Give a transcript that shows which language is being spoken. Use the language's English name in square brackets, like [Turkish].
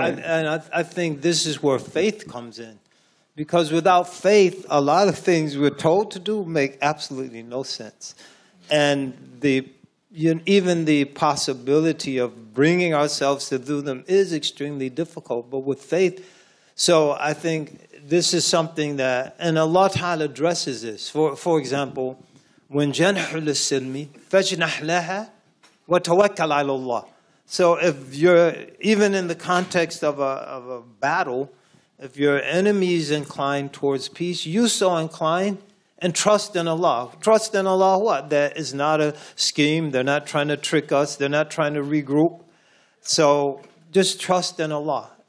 [English] I think this is where faith comes in. Because without faith, a lot of things we're told to do make absolutely no sense. And even the possibility of bringing ourselves to do them is extremely difficult. But with faith, so I think this is something that, and Allah Ta'ala addresses this. For example, when [Arabic] جَنْحُ لِلسِّلْمِ فَجْنَحْ لَهَا وَتَوَكَّلْ عَلَى اللَّهِ. [English] So if you're, even in the context of a battle, if your enemy is inclined towards peace, you so incline and trust in Allah. Trust in Allah what? That is not a scheme. They're not trying to trick us. They're not trying to regroup. So just trust in Allah.